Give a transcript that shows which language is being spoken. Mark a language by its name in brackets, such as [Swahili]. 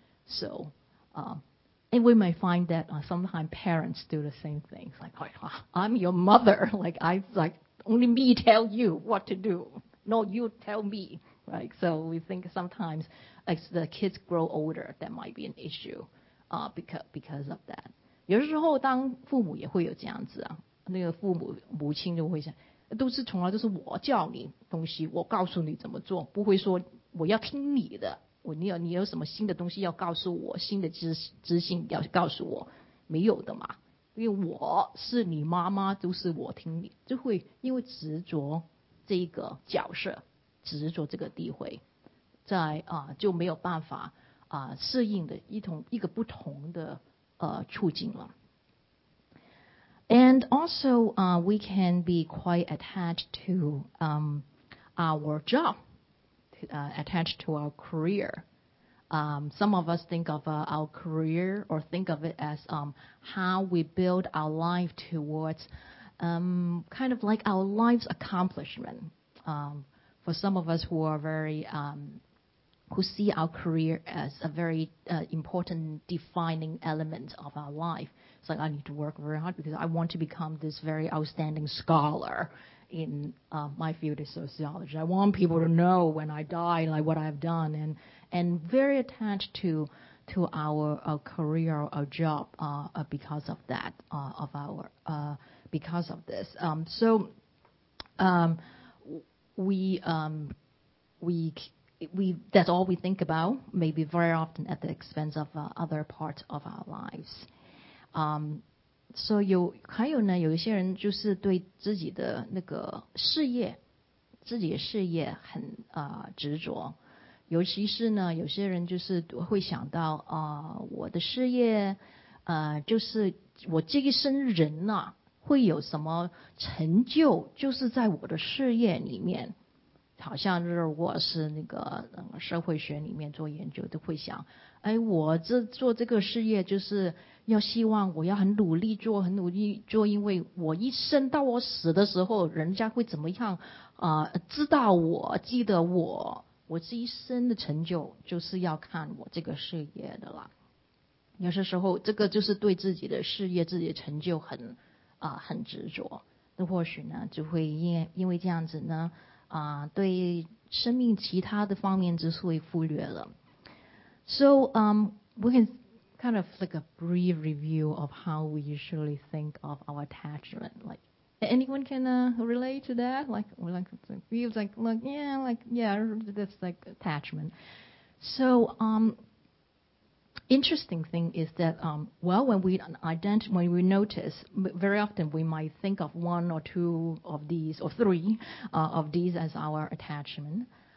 [English] So, and we may find that sometimes parents do the same thing. It's like, I'm your mother. Like, only me tell you what to do. No, you tell me. Right, so we think sometimes as the kids grow older, that might be an issue, because of that. [Chinese] 有时候当父母也会有这样子啊，那个母亲就会想，都是从来都是我教你东西，我告诉你怎么做，不会说我要听你的，你有什么新的东西要告诉我，新的知性要告诉我，没有的嘛，因为我是你妈妈，都是我听你，就会因为执着这个角色。执着这个地位，在就没有办法适应的一个不同的处境了。 [English] And also, we can be quite attached to our job, attached to our career. Some of us think of our career or think of it as how we build our life towards kind of like our life's accomplishment. For some of us who are who see our career as a very important defining element of our life, it's like I need to work very hard because I want to become this very outstanding scholar in my field of sociology. I want people to know when I die like what I've done, and very attached to our career or our job because of that of our because of this. We that's all we think about, maybe very often at the expense of other parts of our lives. [Chinese] So 有还有呢，有一些人就是对自己的那个事业自己的事业很执着，尤其是呢，有些人就是会想到我的事业，就是我这一生人啊，会有什么成就，就是在我的事业里面。好像如果是那个社会学里面做研究，都会想，哎，我这做这个事业，就是要希望我要很努力做，很努力做，因为我一生到我死的时候，人家会怎么样知道我，记得我。我这一生的成就就是要看我这个事业的了。有些时候这个就是对自己的事业自己的成就很执着，那或许呢就会因为这样子呢对生命其他的方面之所以忽略了。 [English] So we can kind of like a brief review of how we usually think of our attachment, likeAnyone can relate to that? Like it feels like that's like attachment. So, interesting thing is that, when we notice, very often we might think of one or two of these, or three of these as our attachment.